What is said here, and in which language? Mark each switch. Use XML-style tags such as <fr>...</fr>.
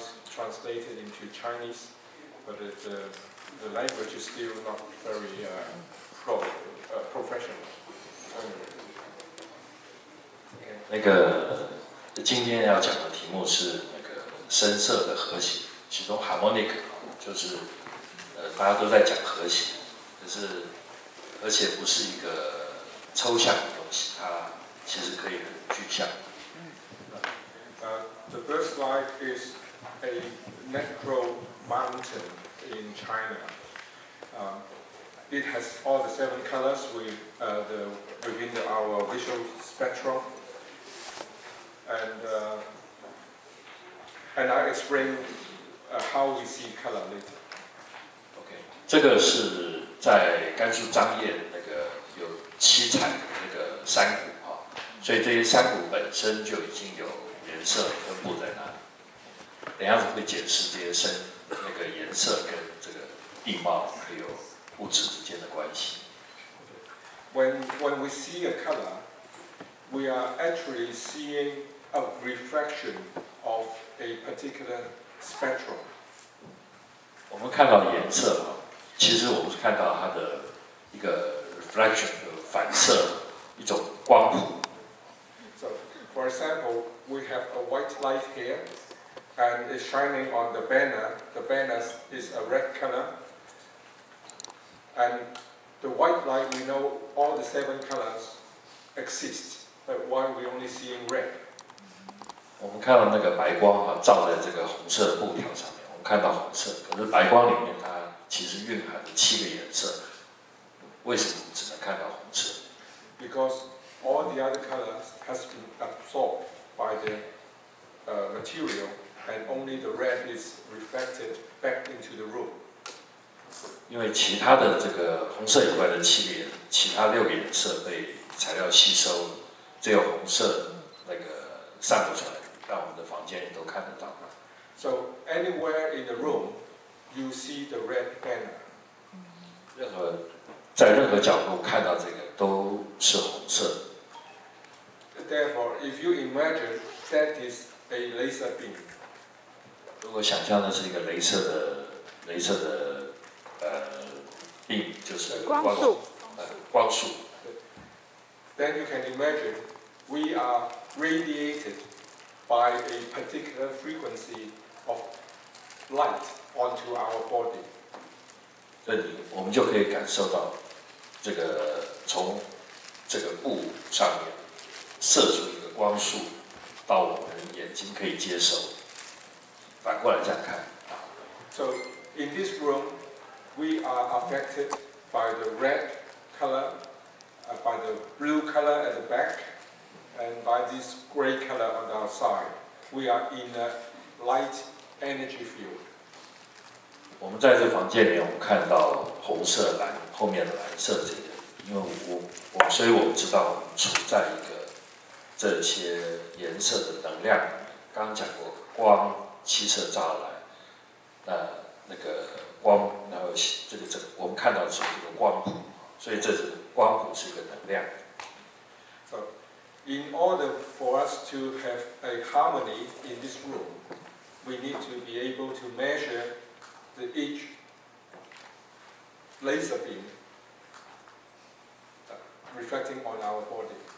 <en>Translated into Chinese, but the language is still not very professional.</en> <zh>那个今天要讲的题目是那个声色的和谐，其中 harmonic 就是大家都在讲和谐，可是而且不是一个抽象的东西，它其实可以很具象。</zh> <en>The first slide is a necro mountain in China. It has all the seven colors within our visual spectrum. And I explain how we see color later. Okay.</en> <zh>这个是在甘肃张掖那个有七彩那个山谷哈，所以这些山谷本身就已经有颜色分布在那里。等一下会解释这些声那个颜色跟这个地貌还有物质之间的关系。</zh> <en>When we see a color, we are actually seeing a reflection of a particular spectrum.</en> <zh>我们看到颜色啊，其实我们是看到它的一个 reflection， 一个反射，一种光谱。</zh> <en>So, for example, we have a white light here. And it's shining on the banner. The banner is a red color. And the white light, we know all the seven colors exist, but why we only seeing red?</en> <zh>我们看到那个白光哈、啊，照在这个红色的布条上面，我们看到红色。可是白光里面它其实蕴含了七个颜色，为什么我们只能看到红色</zh> <en>？Because all the other colors has been absorbed by the material. And only the red is reflected back into the room.</en> <zh>因为其他的这个红色以外的七个颜，其他六个颜色被材料吸收，只有红色那个散布出来，让我们的房间也都看得到。</zh> <en>So anywhere in the room, you see the red banner.</en> <zh>任何在任何角度看到这个都是红色。</zh> <en>Therefore, if you imagine that is a laser beam.</en> <zh>如果想象的是一个雷射的beam，就是光束。</zh> <en>Then you can imagine we are radiated by a particular frequency of light onto our body.</en> <zh>这里我们就可以感受到这个从这个布上面射出一个光束到我们眼睛可以接受。反过来这样看。</zh> <en>So in this room, we are affected by the red color, by the blue color at the back, and by this gray color on the outside. We are in a light energy field.</en> <zh>我们在这房间里，我们看到红色蓝后面的蓝色这个，因为所以我们知道我们处在一个这些颜色的能量。刚刚讲过光。七色乍来，那个光，然后这个我们看到的是一个光谱，所以这是光谱是一个能量。</zh> <en>So In order for us to have a harmony in this room, we need to be able to measure the each laser beam reflecting on our body.</en>